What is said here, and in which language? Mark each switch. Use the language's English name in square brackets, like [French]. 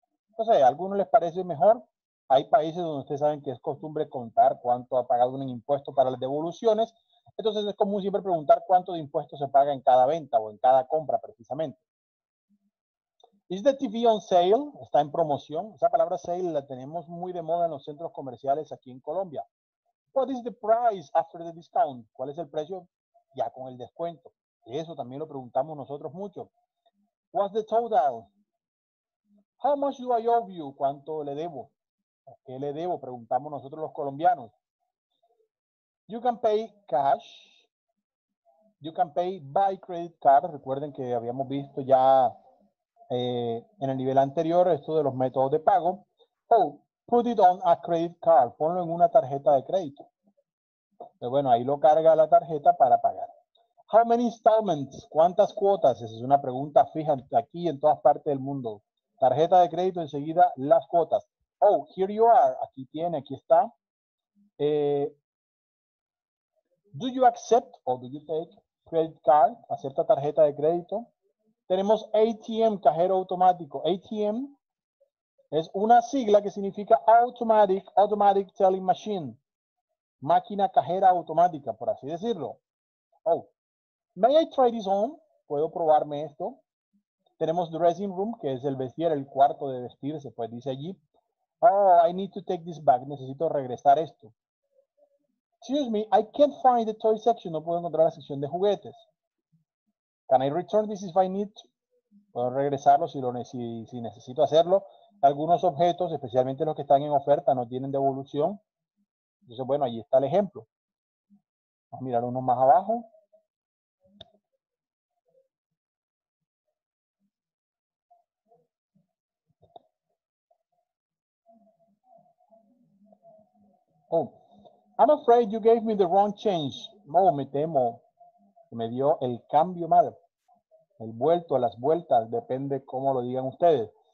[Spanish] Entonces, ¿a algunos les parece mejor? Hay países donde ustedes saben que es costumbre contar cuánto ha pagado un impuesto para las devoluciones. Entonces, es común siempre preguntar cuánto de impuesto se paga en cada venta o en cada compra, precisamente. [English] ¿Is the TV on sale? [Spanish] ¿Está en promoción? Esa palabra sale la tenemos muy de moda en los centros comerciales aquí en Colombia. [English] What is the price after the discount? [Spanish] ¿Cuál es el precio ya con el descuento? Eso también lo preguntamos nosotros mucho. [English] What's the total? How much do I owe you? [Spanish] ¿Cuánto le debo? ¿A qué le debo? Preguntamos nosotros los colombianos. [English] You can pay cash. You can pay by credit card. [Spanish] Recuerden que habíamos visto ya en el nivel anterior esto de los métodos de pago. [English] Oh, put it on a credit card. [Spanish] Ponlo en una tarjeta de crédito. Pero bueno, ahí lo carga la tarjeta para pagar. [English] How many installments? [Spanish] ¿Cuántas cuotas? Esa es una pregunta fija aquí en todas partes del mundo. Tarjeta de crédito, enseguida las cuotas. [English] Oh, here you are. [Spanish] Aquí tiene, aquí está. [English] Do you accept or do you take credit card? [Spanish] ¿Acepta tarjeta de crédito? Tenemos ATM, cajero automático. ATM es una sigla que significa Automatic Telling Machine. Máquina cajera automática, por así decirlo. [English] Oh, may I try this on? [Spanish] ¿Puedo probarme esto? Tenemos dressing room, que es el vestir, el cuarto de vestirse, pues dice allí. [English] Oh, I need to take this back. [Spanish] Necesito regresar esto. [English] Excuse me, I can't find the toy section. [Spanish] No puedo encontrar la sección de juguetes. [English] Can I return this if I need to? [Spanish] Puedo regresarlo si necesito hacerlo. Algunos objetos, especialmente los que están en oferta, no tienen devolución. Entonces, bueno, ahí está el ejemplo. Vamos a mirar uno más abajo. [English] Oh, I'm afraid you gave me the wrong change. [Spanish] No, me temo que me dio el cambio mal. El vuelto, las vueltas, depende cómo lo digan ustedes.